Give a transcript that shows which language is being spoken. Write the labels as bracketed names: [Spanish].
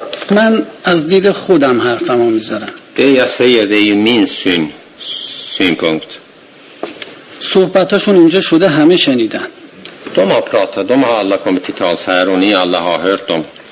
[Persian] من از دید خودم حرفمو میذارم. [Swedish] Det jag säger, det är min synpunkt. [Persian] صحبتاشون اینجا شده، همه شنیدن. [Swedish] De har pratat, de har alla kommit till tals här och ni alla har hört dem.